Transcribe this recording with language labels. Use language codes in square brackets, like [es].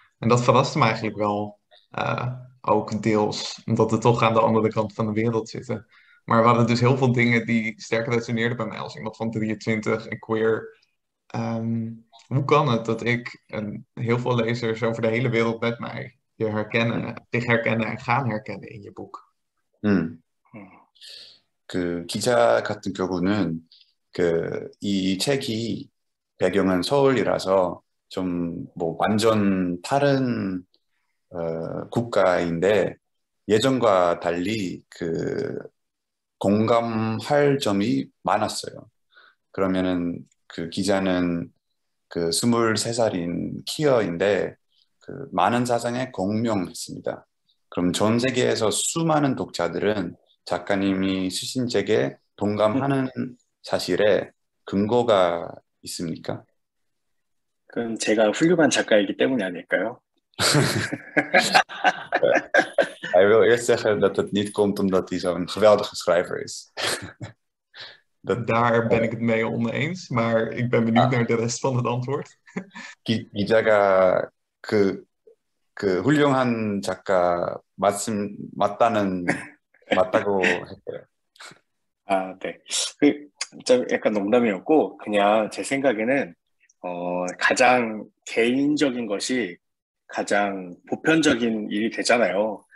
[nl] En dat verraste me eigenlijk wel, ook deels, omdat we toch aan de andere kant van de wereld zitten. Maar er waren dus heel veel dingen die sterk resoneerden bij mij als iemand van 23 en queer. Hoe kan het dat ik en heel veel lezers over de hele wereld met mij je herkennen, zich herkennen en gaan herkennen in je boek? Hmm. [ko] 그 기자 같은 경우는 그 이 책이 배경은 서울이라서 좀 뭐 완전 다른 국가인데 예전과 달리 그 공감할 점이 많았어요. 그러면은 그 기자는 그 23살인 키어인데 그 많은 사상에 공명했습니다. 그럼 전 세계에서 수많은 독자들은 작가님이 쓰신 책에 동감하는 사실에 근거가 있습니까? 그건 제가 훌륭한 작가이기 때문이 아닐까요? [nl] Hij wil eerst zeggen dat het niet komt omdat hij zo'n geweldige schrijver is. Daar ben ik het mee oneens, maar ik ben benieuwd naar de rest van het antwoord. [ko] 기자가 그 훌륭한 작가 맞다고 했어요. 아, 네. 약간 농담이었고, 그냥 제 생각에는 가장 개인적인 것이 가장 보편적인 일이 되잖아요.